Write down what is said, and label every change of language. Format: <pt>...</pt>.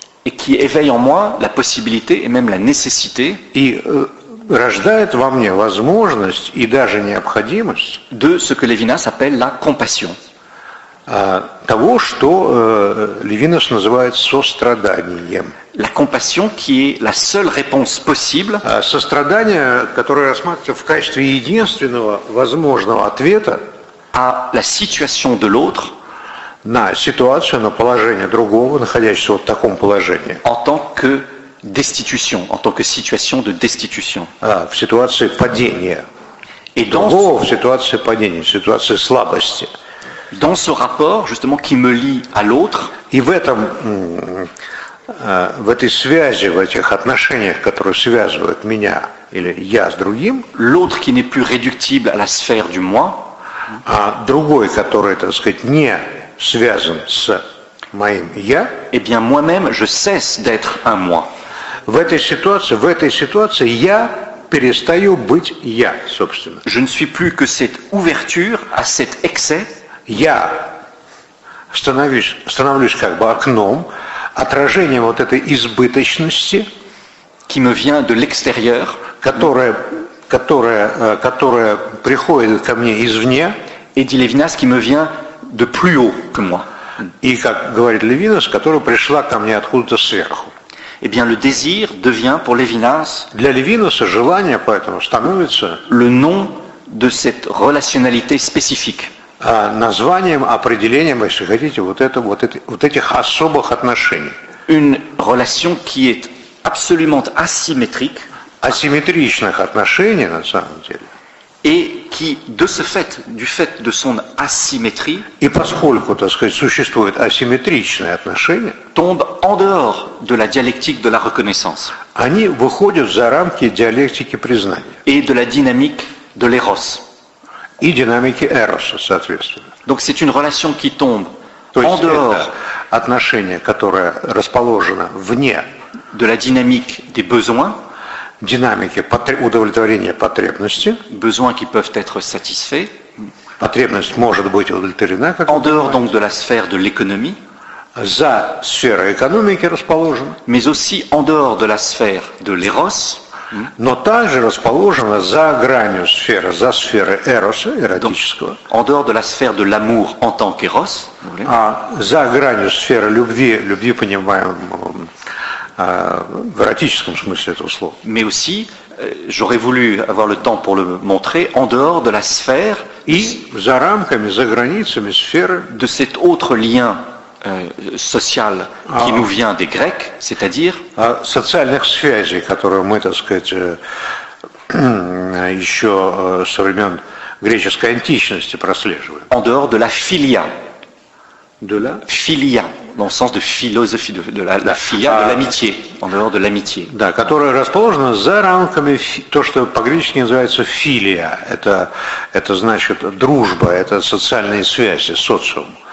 <fr>et qui éveille en moi la possibilité et même la nécessité,</fr> <ru>и рождает во мне возможность и даже необходимость</ru> <fr>de ce que Levinas appelle la compassion.</fr> <ru>Того, что Левинас называет состраданием.</ru> <fr>La compassion, qui est la seule réponse possible.</fr> <ru>Сострадание, которое рассматривается в качестве единственного возможного ответа</ru> <fr>à la situation de l'autre,</fr> <ru>на ситуацию, на положение другого, находящегося в таком положении.</ru> <fr>En tant que destitution, en tant que situation de destitution.</fr> <ru>В ситуации падения.</ru> <fr>Et</fr> <ru>другого</ru> <fr>dans...</fr> <ru>в ситуации падения, в ситуации слабости.</ru> <fr>Dans ce rapport, justement, qui me lie à l'autre.</fr> <ru>И в этом, в этой связи, в этих отношениях, которые связывают меня или я с другим.</ru> <fr>L'autre qui n'est plus réductible à la sphère du moi.</fr> <ru>А другой, который, так сказать, не связан с моим я.</ru> <fr>Eh bien, moi-même, je cesse d'être un moi.</fr> <ru>В этой ситуации, я перестаю быть я, собственно.</ru> <fr>Je ne suis plus que cette ouverture à cet excès.</fr> <ru>Я становлюсь как бы окном, отражением вот этой избыточности,</ru> <fr>qui me vient de l'extérieur,</fr> <ru>которая приходит ко мне извне,</ru> <fr>et dit Levinas, qui me vient de plus haut que moi.</fr> <ru>И как говорит Левинас, которая пришла ко мне откуда-то сверху.</ru> <fr>Eh bien, le désir devient pour Levinas,</fr> <ru>для Левинаса желание поэтому становится</ru> <fr>le nom de cette relationnalité spécifique.</fr> <ru>Названием, определением, если хотите, вот этих особых отношений.</ru> <fr>Une relation qui est absolument asymétrique.</fr> <ru>Асимметричных отношений, на самом деле.</ru> <fr>Et qui, de ce fait, du fait de son asymétrie.</fr> <ru>И поскольку, так сказать, существуют асимметричные отношения.</ru> <fr>Tombe en dehors de la dialectique de la reconnaissance.</fr> <ru>Они выходят за рамки диалектики признания.</ru> <fr>Et de la dynamique de l'éros.</fr> <ru>И динамики эроса, соответственно.</ru> <fr>Donc c'est une relation qui tombe</fr> <ru>то</ru> <fr>en dehors.</fr> <ru>Это отношение, которое расположено вне</ru> <fr>de la dynamique des besoins,</fr> <ru>динамики удовлетворения потребности,</ru> <fr>besoins qui peuvent être satisfaits,</fr> <ru>потребность может быть удовлетворена, как</ru> <fr>en dehors donc de la sphère de l'économie,</fr> <ru>за сферой экономики расположена,</ru> <fr>mais aussi en dehors de la sphère de l'éros,</fr> <ru>но также расположена за гранью сферы, за сферой эроса, эротического.</ru> <fr>Donc, en dehors de la sphère de l'amour en tant qu'éros,</fr> <ru>а за гранью сферы любви, любви понимаем в эротическом смысле этого слова.</ru> <fr>Mais aussi, j'aurais voulu avoir le temps pour le montrer, en dehors de la sphère</fr> <ru>и за рамками, за границами сферы</ru> <fr>de cet autre lien social qui нous vient des Grecs, c'est-à-dire</fr> <ru>социальных связей, которые мы, так сказать, еще со времен греческой античности прослеживаем.</ru> <fr>En dehors de la filia. De la filia. dans le sens de philosophie, de la фия, de l'amitié, en dehors de l'amitié.</fr> <ru>Да, которая расположена за рамками то, что по-гречески называется филия. Это значит дружба, это социальные связи, социум.</ru>